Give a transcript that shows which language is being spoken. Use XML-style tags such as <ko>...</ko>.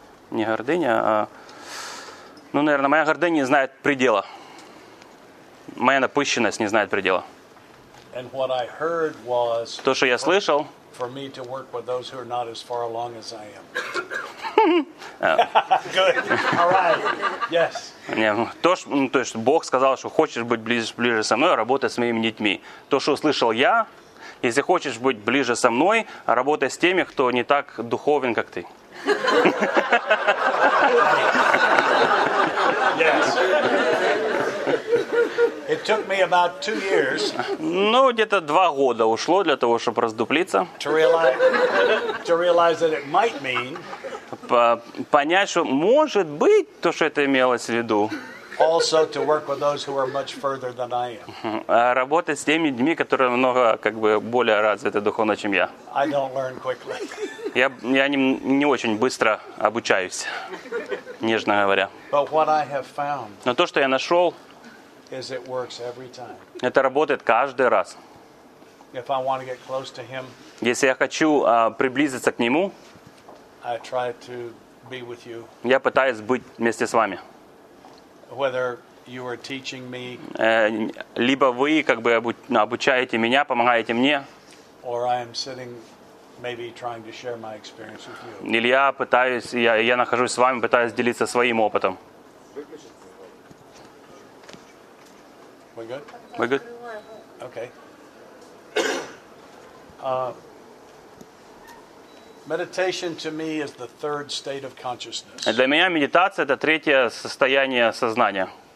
<ru>Не гордыня, а наверное, моя гордыня не знает предела. Моя напыщенность не знает предела.</ru> <en>And what I heard was,</en> <ru>то, что я слышал,</ru> <en>for me to work with those who are not as far along as I am. Good. All right. Yes.</en> <ru>То есть Бог сказал, что хочешь быть ближе со мной, работай с моими детьми. То, что услышал я, если хочешь быть ближе со мной, работай с теми, кто не так духовен, как ты.</ru> <en>Yes. It took me about 2 years.</en> <ru>Где-то 2 года ушло для того, чтобы раздуплиться.</ru> <en>To realize that it might mean.</en> <ru>Понять, что может быть то, что это имелось в виду.</ru> <en>also to work with those who are much further than I am.</en> <ru>Работать с теми людьми, которые намного как бы более развиты духовно, чем я.</ru> <en>I don't learn quickly.</en> <ru>Я не очень быстро обучаюсь, нежно говоря.</ru> <en>But what I have found.</en> <ru>Но то, что я нашёл,</ru> <en>is it works every time.</en> <ru>Это работает каждый раз.</ru> <en>If I want to get close to him.</en> <ru>Если я хочу приблизиться к нему,</ru> <en>I try to be with you.</en> <ru>Я пытаюсь быть вместе с вами.</ru> <en>Whether you are teaching me.</en> <ru>Либо вы как бы обучаете меня, помогаете мне.</ru> <en>Or I am sitting maybe trying to share my experience with you.</en> <ru>Или я пытаюсь, я нахожусь с вами, пытаюсь делиться своим опытом.</ru> <en>We're good? We're good. Okay. Meditation to me is the third state of consciousness.</en> <ru>Для меня медитация — это третье состояние сознания.</ru>